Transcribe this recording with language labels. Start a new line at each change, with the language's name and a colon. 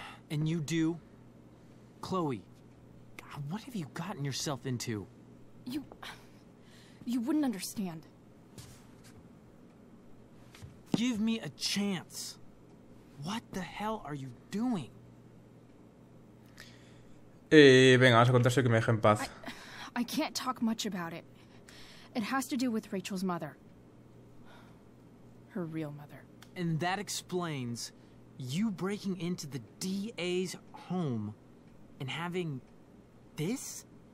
English: And you do? Chloe, God, what have you gotten yourself into? You wouldn't understand. Give me a chance. What the hell are you doing?
Spanish: Venga, vamos a contar eso que me deje en paz.
English: I can't talk much about it. It has to do with Rachel's mother. Her real mother. And that explains you breaking into the DA's home and having this?